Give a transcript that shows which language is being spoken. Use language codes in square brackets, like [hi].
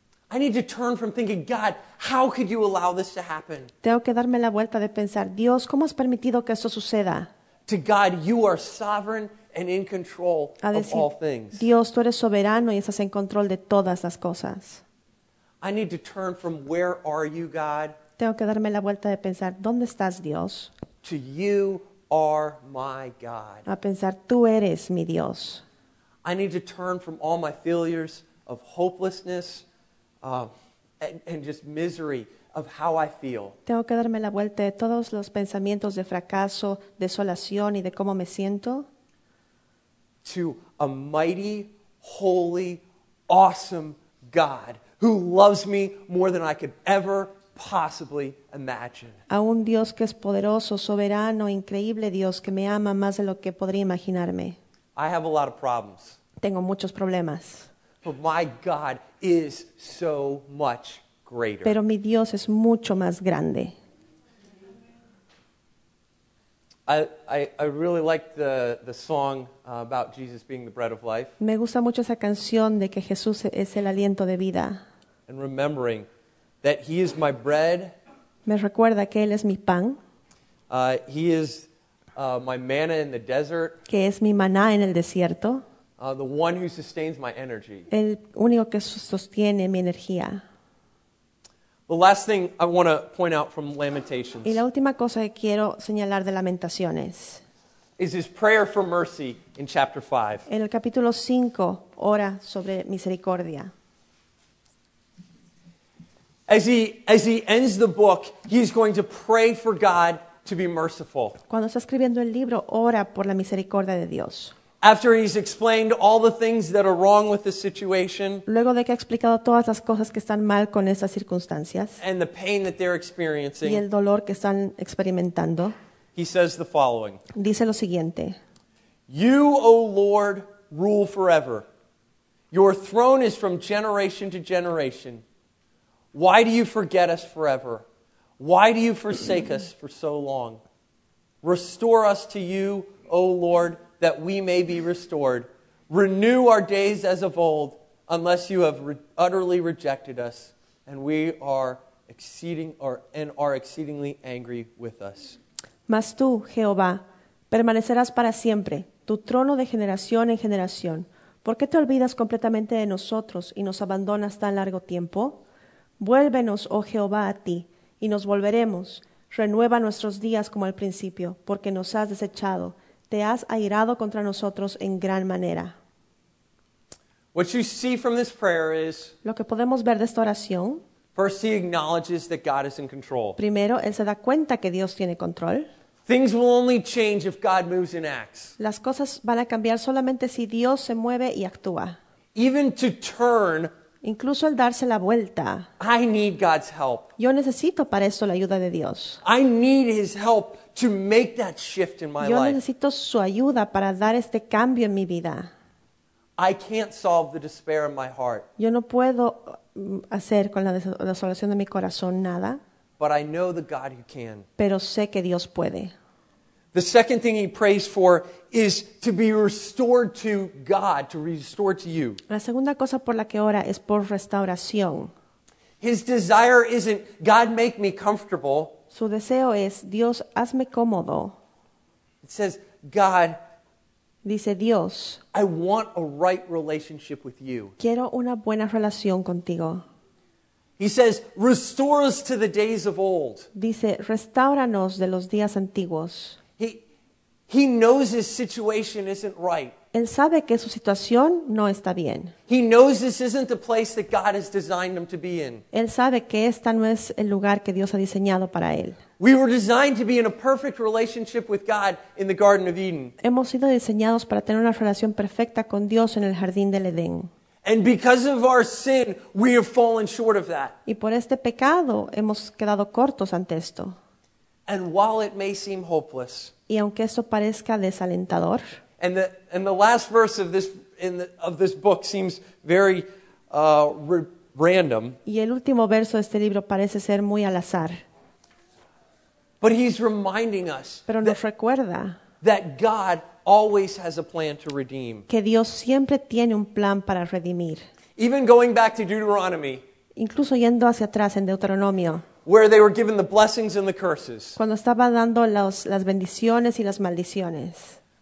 [en] I need to turn from thinking, God, how could you allow this to happen? [es] Tengo que darme la vuelta de pensar, Dios, ¿cómo has permitido que esto suceda? [en] To God, you are sovereign and in control [es] a decir, [en] of all things. [es] Dios, tú eres soberano y estás en control de todas las cosas. [en] I need to turn from where are you, God? [es] Tengo que darme la vuelta de pensar, ¿dónde estás, Dios? [en] To you are my God. [es] A pensar, tú eres mi Dios. [en] I need to turn from all my failures of hopelessness and just misery of how I feel. [es] Tengo que darme la vuelta de todos los pensamientos de fracaso, desolación y de cómo me siento. [en] To a mighty, holy, awesome God who loves me more than I could ever possibly imagine. [es] A un Dios que es poderoso, soberano, increíble Dios que me ama más de lo que podría imaginarme. [en] I have a lot of problems. [es] Tengo muchos problemas. [en] But my God is so much greater. [es] Pero mi Dios es mucho más grande. [en] I really like the song about Jesus being the bread of life. [es] Me gusta mucho esa canción de que Jesús es el aliento de vida. [en] And remembering that he is my bread. [es] Me recuerda que él es mi pan. [en] He is my manna in the desert. [es] Que es mi maná en el desierto. [en] The one who sustains my energy. [es] El único que sostiene mi energía. [en] The last thing I want to point out from Lamentations. [es] Y la última cosa que quiero señalar de Lamentaciones. [en] Is his prayer for mercy in chapter 5. [es] En el capítulo 5, ora sobre misericordia. [en] As he ends the book, he's going to pray for God to be merciful. [es] Cuando está escribiendo el libro, ora por la misericordia de Dios. [en] After he's explained all the things that are wrong with the situation. [es] Luego de que ha explicado todas las cosas que están mal con esas circunstancias. [en] And the pain that they're experiencing. [es] Y el dolor que están experimentando. [en] He says the following. [es] Dice lo siguiente. [en] You, O Lord, rule forever. Your throne is from generation to generation. Why do you forget us forever? Why do you forsake us for so long? Restore us to you, O Lord, that we may be restored. Renew our days as of old, unless you have utterly rejected us, and we are exceedingly angry with us. [es] Mas tú, Jehová, permanecerás para siempre, tu trono de generación en generación. ¿Por qué te olvidas completamente de nosotros y nos abandonas tan largo tiempo? Vuélvenos, oh Jehová, a ti, y nos volveremos. Renueva nuestros días como al principio, porque nos has desechado. Te has airado contra nosotros en gran manera. [en] What you see from this prayer is, [es] lo que podemos ver de esta oración, [en] first he acknowledges that God is in control. [es] Primero, él se da cuenta que Dios tiene control. [en] Things will only change if God moves and acts. [es] Las cosas van a cambiar solamente si Dios se mueve y actúa. [en] Even to turn, [es] incluso el darse la vuelta. [en] I need God's help. [es] Yo necesito para esto la ayuda de Dios. [en] I need his help to make that shift in my life. [es] Yo necesito su ayuda para dar este cambio en mi vida. [en] I can't solve the despair in my heart. [es] Yo no puedo hacer con la desolación de mi corazón nada. [en] But I know the God who can. [es] Pero sé que Dios puede. [en] The second thing he prays for is to be restored to God, to restore to you. [es] La segunda cosa por la que ora es por restauración. [en] His desire isn't, God, make me comfortable. [es] Su deseo es, Dios, hazme cómodo. [en] It says, God, [es] dice Dios, [en] I want a right relationship with you. [es] Quiero una buena relación contigo. [en] He says, restore us to the days of old. [es] Dice, restáuranos de los días antiguos. [en] He knows his situation isn't right. [es] Él sabe que su situación no está bien. [en] He knows this isn't the place that God has designed him to be in. [es] Él sabe que este no es el lugar que Dios ha diseñado para él. [en] We were designed to be in a perfect relationship with God in the Garden of Eden. [es] Hemos sido diseñados para tener una relación perfecta con Dios en el Jardín del Edén. [en] And because of our sin, we have fallen short of that. [es] Y por este pecado, hemos quedado cortos ante esto. [en] And while it may seem hopeless, [es] y aunque esto parezca desalentador, [en] and the last verse of this book seems very random. [es] Y el último verso de este libro parece ser muy al azar. [en] But he's reminding us, [es] pero nos recuerda, [en] that God always has a plan to redeem. [es] Que Dios siempre tiene un plan para redimir. [en] Even going back to Deuteronomy. [es] Incluso yendo hacia atrás en Deuteronomio. [en] Where they were given the blessings and the curses. [es] Cuando estaba dando las bendiciones y las maldiciones.